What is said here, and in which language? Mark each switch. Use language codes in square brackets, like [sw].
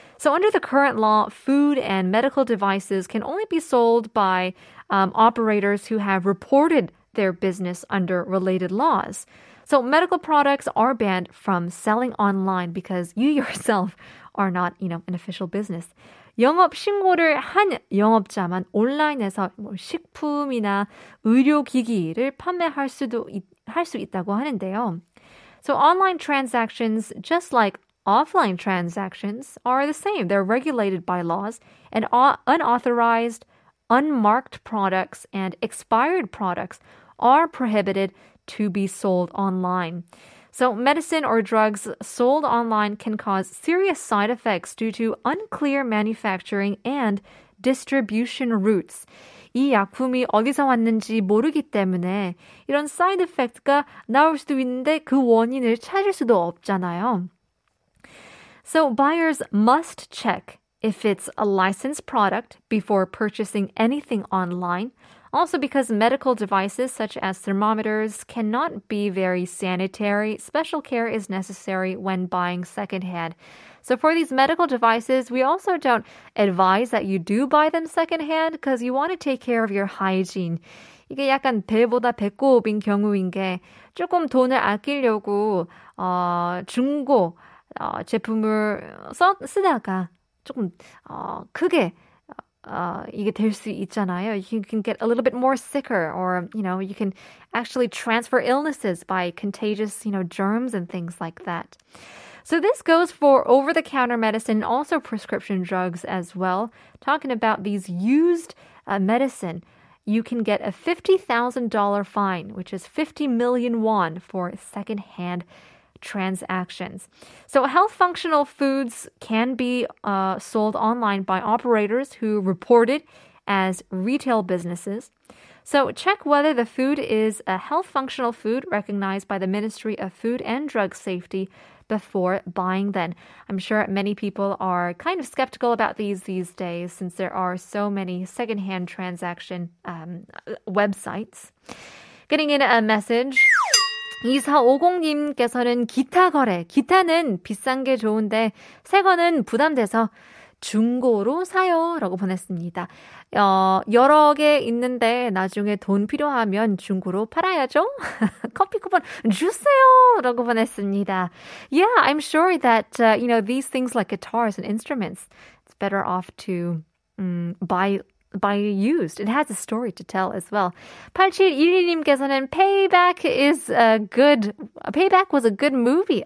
[en] So under the current law, food and medical devices can only be sold by operators who have reported their business under related laws. So medical products are banned from selling online because you yourself are not, you know, an official business. [ko] 영업 신고를 한 영업자만 온라인에서 뭐 식품이나 의료기기를 판매할 수도 할 수 있다고 하는데요. [en] So online transactions, just like offline transactions, are the same. They're regulated by laws, and unauthorized, unmarked products and expired products are prohibited to be sold online. So medicine or drugs sold online can cause serious side effects due to unclear manufacturing and distribution routes. [ko] 이 약품이 어디서 왔는지 모르기 때문에 이런 side effect가 나올 수도 있는데 그 원인을 찾을 수도 없잖아요. [en] So buyers must check if it's a licensed product before purchasing anything online. Also because medical devices such as thermometers cannot be very sanitary, special care is necessary when buying secondhand. So for these medical devices, we also don't advise that you do buy them secondhand because you want to take care of your hygiene. [ko] 이게 약간 배보다 배꼽인 경우인 게 조금 돈을 아끼려고 중고 제품을 쓰다가 조금 크게 이게 될 수 있잖아요. [en] You can get a little bit more sicker, or you know, you can actually transfer illnesses by contagious, you know, germs and things like that. So this goes for over-the-counter medicine, also prescription drugs as well. Talking about these used medicine, you can get a $50,000 fine, which is 50 million won for secondhand transactions. So health functional foods can be sold online by operators who report it as retail businesses. So check whether the food is a health functional food recognized by the Ministry of Food and Drug Safety before buying them. I'm sure many people are kind of skeptical about these days since there are so many secondhand transaction websites. Getting in a message. [ko] 2450님께서는 기타 거래. 기타는 비싼 게 좋은데 새 거는 부담돼서 중고로 사요. 라고 보냈습니다. 여러 개 있는데 나중에 돈 필요하면 중고로 팔아야죠. 커피 쿠폰 주세요. 라고 보냈습니다. [en] Yeah, I'm sure that, you know, these things like guitars and instruments, it's better off to buy by used. It has a story to tell as well. 8712님께서는 payback is a good, payback was a good movie.